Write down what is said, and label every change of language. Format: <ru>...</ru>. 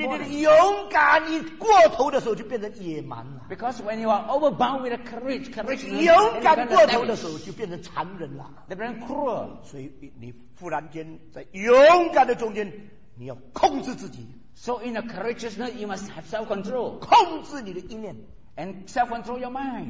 <zh>因为你勇敢过头的时候就变成野蛮了,</zh> <en>because when you are overbound with a courage, courage,</en> <zh>勇敢过头的时候就变成残忍了,</zh> <en>they become cruel.</en> <zh>所以你忽然间在勇敢的中间, 你要控制自己,</zh> <en>so in a courageousness you must have self-control.</en> <zh>控制你的意念,</zh> <en>and self-control your mind.</en>